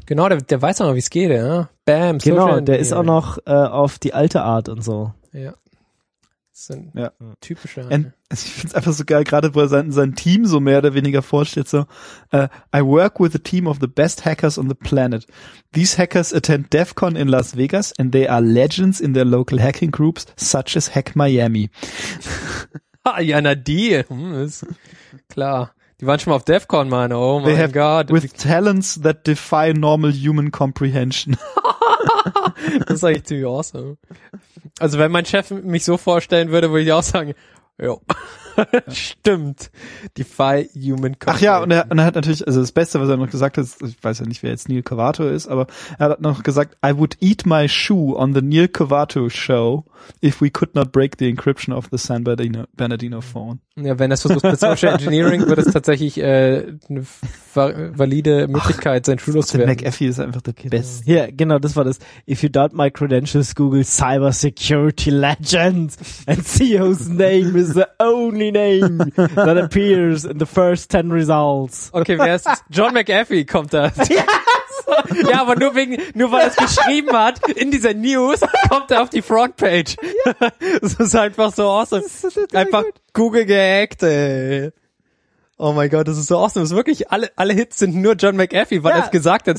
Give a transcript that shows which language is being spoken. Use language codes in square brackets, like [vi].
[de] Genau, der weiß auch noch, wie es geht, ja. Bam, so. Genau, der ist auch noch auf die alte Art und so. Ja. Das sind typische. Ich find's einfach so geil, gerade wo er sein Team so mehr oder weniger vorstellt, so [en] I work with a team of the best hackers on the planet. These hackers attend DEFCON in Las Vegas and they are legends in their local hacking groups, such as Hack Miami. [de] Ha, ja, na die. Klar. Die waren schon mal auf DEFCON, Mann. Oh mein Gott. [en] With talents that defy normal human comprehension. [de] Das ist eigentlich ziemlich awesome. Also wenn mein Chef mich so vorstellen würde, würde ich auch sagen, jo. Stimmt. [en] Defy human comprehension. [de] Ach ja, und er hat natürlich, also das Beste, was er noch gesagt hat, ich weiß ja nicht, wer jetzt Neil Cavato ist, aber er hat noch gesagt, [en] I would eat my shoe on the Neil Cavato show if we could not break the encryption of the San Bernardino phone. [de] Ja, wenn er es versucht mit Social Engineering, wird es tatsächlich eine valide Möglichkeit, sein Schulhof zu werden. Der McAfee ist einfach der Beste. Ja, yeah, genau, das war das. [en] If you doubt my credentials, Google Cyber Security Legend and CEO's name is the only name that appears in the first 10 results. [de] Okay, wer ist John McAfee kommt da. Ja, aber nur weil er es geschrieben hat, in dieser News, kommt er auf die Frontpage. Ja. Das ist einfach so awesome. Einfach Google gehackt, ey. Oh mein Gott, das ist so awesome. Das ist wirklich, alle Hits sind nur John McAfee, weil er es gesagt hat.